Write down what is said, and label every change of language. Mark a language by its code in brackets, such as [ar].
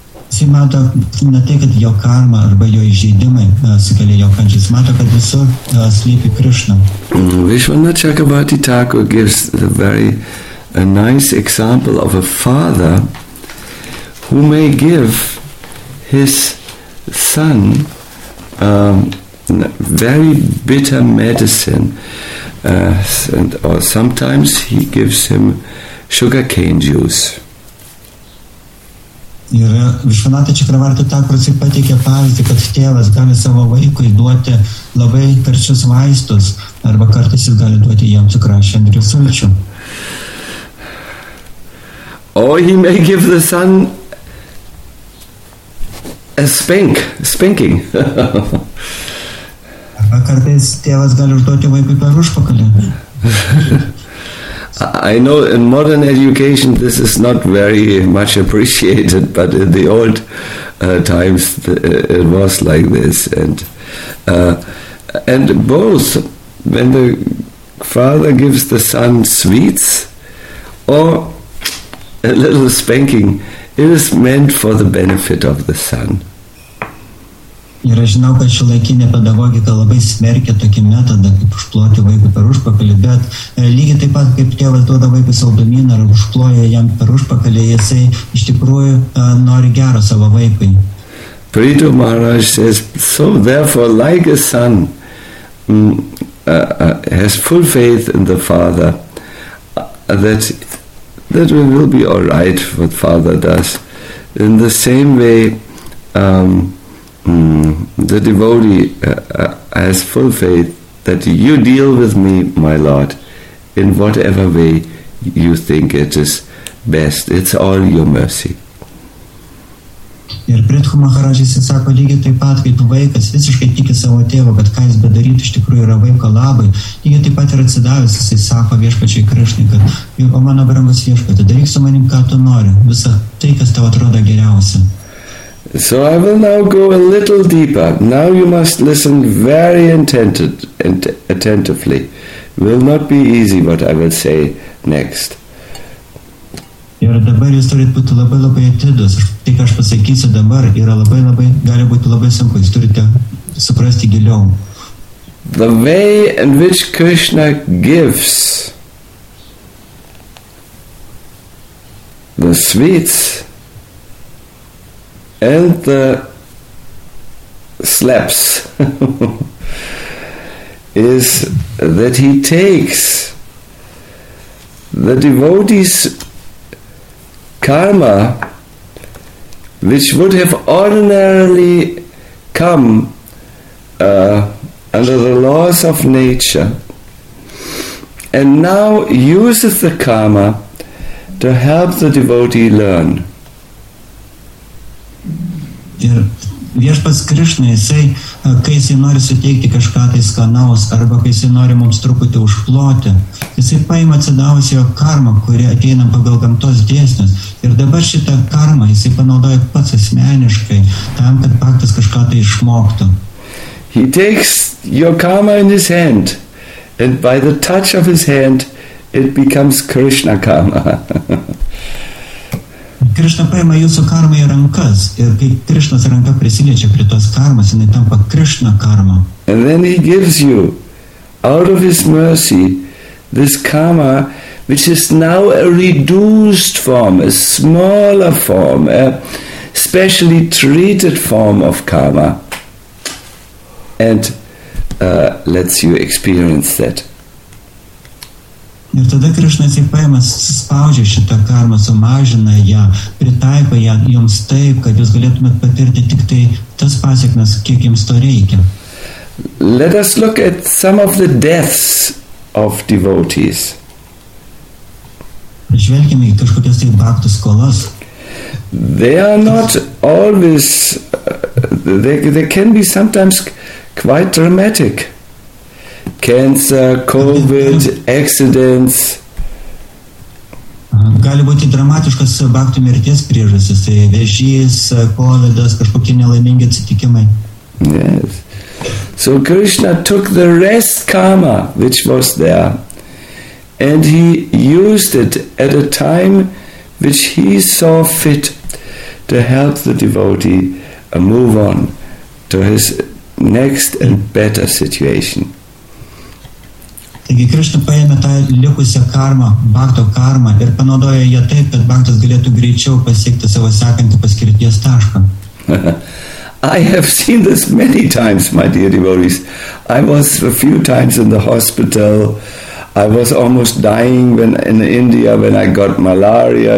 [en] Vishwanatha Chakravarti Thakur gives a very a nice example of a father who may give his son very bitter medicine, and or sometimes he gives him sugar cane juice. [lt] Ir Vishvanatha Chakravarti Thakur pateikė pavyzdį, kad tėvas gali savo vaikui duoti labai karčius vaistus, arba kartais jis gali duoti jam cukrašendrių sulčių. [en] Or he may give the son a spanking. [lt] Arba kartais tėvas gali užduoti vaikui per užpakalį. [en] I know in modern education this is not very much appreciated, but in the old times it was like this. And both, when the father gives the son sweets or a little spanking, it is meant for the benefit of the son. [lt] Ir aš žinau, kad šiuolaikinė pedagogika labai smerkia tokį metodą, kaip užploti vaikui per užpakalį, bet lygiai taip pat, kaip tėvas duoda vaikui saldumyną ar užploja jam per užpakalį, jisai iš tikrųjų nori gero savo vaikui. [en] Prithu Maharaj says, so therefore, like a son has full faith in the father, that we will be all right what father does. In the same way, the devotee has full faith that you deal with me, my Lord, in whatever way you think it is best. It's all your mercy. [lt] Ir Prithu Maharaj sako lygiai taip pat, kaip vaikas visiškai tiki savo tėvą, kad ką jis bedarytų, iš tikrųjų yra vaiko labai. Lygiai taip pat ir atsidavęs, jis sako viešpačiai Krišnai, kad o mano brangus viešpatė, daryk su manim, ką tu nori, visa tai, kas tau atrodo geriausia. [en] So I will now go a little deeper. Now you must listen very attentively. It will not be easy what I will say next. [lt] Ir dabar jūs turite būti labai labai atidus. Tai, ką aš pasakysiu dabar, yra labai labai, gali būti labai sunku. Jūs turite suprasti giliau. [en] The way in which Krishna gives the sweets and the slaps is that he takes the devotee's karma, which would have ordinarily come under the laws of nature, and now uses the karma to help the devotee learn. [lt] Ir viešpats Krišna, jisai, kai jisai nori suteikti kažką tai skanaus, arba kai jisai nori mums truputį užploti, jisai paima atsidavusi jo karmą, kuri ateina pagal gamtos dėsnius. Ir dabar šitą karmą jisai panaudoja pats asmeniškai, tam, kad paktas kažką tai išmoktų. [en] He takes your karma in his hand, and by the touch of his hand, it becomes Krishna karma. [lt] Krišna paima jūsų karmą į rankas, ir kai Krišnas ranka prisiliečia prie tos karmas, jinai tampa Krišna karma. [en] And then he gives you, out of his mercy, this karma, which is now a reduced form, a smaller form, a specially treated form of karma, and lets you experience that. [lt] Ir tada Krišna įsipaima, spaudžia šitą karmą, sumažina ją, pritaiko ją jums taip, kad jūs galėtumėt patirti tik tai tas pasiekmes, kiek jums to reikia. [en] Let us look at some of the deaths of devotees. [lt] Žvelgime į kažkokias tai baktų skolas. [en] They are not always, they can be sometimes quite dramatic. Cancer, COVID, accidents. [lt] Gali būti dramatiškas baktų mirties priežastis, tai vėžys, COVID-as, kažkokie nelaimingi atsitikimai. [en] Yes. So Krishna took the rest karma, which was there, and he used it at a time which he saw fit to help the devotee move on to his next and better situation. [lt] Taigi Krishna paėmė tą likusią karmą, bakto karmą, ir panaudojo ją taip, kad baktas galėtų greičiau pasiekti savo sekantį paskirties tašką. [en] I have seen this many times, my dear devotees. I was a few times in the hospital. I was almost dying when in India when I got malaria.